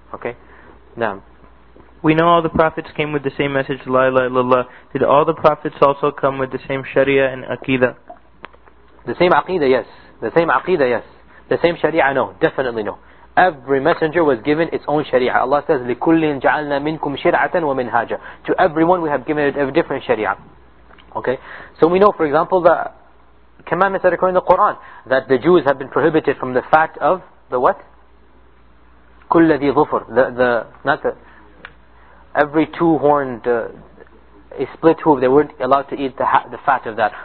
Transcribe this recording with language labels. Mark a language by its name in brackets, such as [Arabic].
[English] Okay, now, we know all the prophets came with the same message, la ilaha illallah. Did all the prophets also come with the same sharia and aqidah? The same aqidah, yes. The same aqidah, yes. The same sharia, no. Definitely no. Every messenger was given its own sharia. Allah says, [Arabic] لِكُلِّنْ جَعَلْنَا مِنْكُمْ شِرْعَةً وَمِنْ هَاجَةً. [English] To everyone we have given it a different sharia. Okay, so we know, for example, that commandments that occur in the Quran, that the Jews have been prohibited from the fat of the what? [Arabic] كل ذي ظفر, [English] every two-horned a split hoof, they weren't allowed to eat the fat of that.